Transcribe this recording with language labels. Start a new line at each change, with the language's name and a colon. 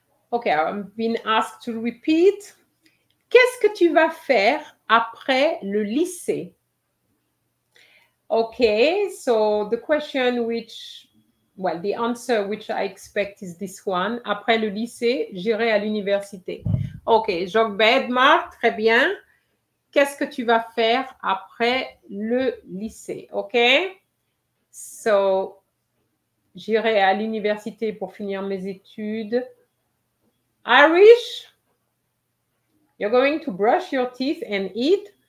English: Okay, I've been asked to repeat.
French: Qu'est-ce que tu vas faire après le lycée?
English: Okay, so the question which... Well, the answer which I expect is this one.
French: Après le lycée, j'irai à l'université. OK, Jacques-Bed, Marc, très bien. Qu'est-ce que tu vas faire après le lycée?
English: OK, so
French: j'irai à l'université pour finir mes études.
English: Irish, you're going to brush your teeth and eat?